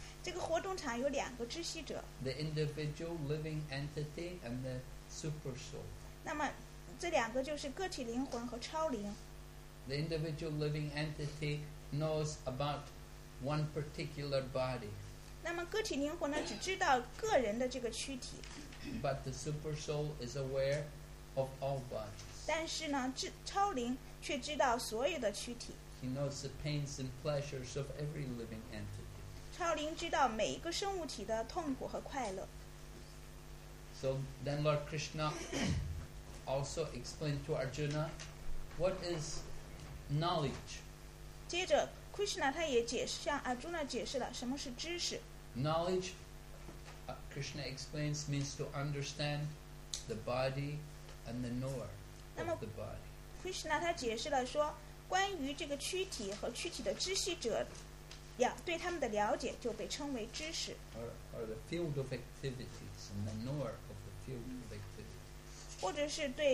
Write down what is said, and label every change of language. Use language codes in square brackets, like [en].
[zh] 这个活动场有两个知悉者. [en] The individual living entity and the super soul. [zh] 那么这两个就是个体灵魂和超灵. [en] The individual living entity knows about one particular body. [zh] 那么个体灵魂呢只知道个人的这个躯体. [en] But the super soul is aware of all bodies. [zh] 但是呢，超灵却知道所有的躯体。 [en] He knows the pains and pleasures of every living entity. [zh] 超灵知道每一个生物体的痛苦和快乐。 [en] So then Lord Krishna also explained to Arjuna what is knowledge. [zh] 接着 Krishna他也解释，向Arjuna解释了什么是知识。 [en] Knowledge, Krishna explains, means to understand the body and the knower. [zh] 那么 Krishna 他解释了说，关于这个躯体和躯体的知悉者，对他们的了解就被称为知识。 [en] Or the field of activities and the knower of the field of activities.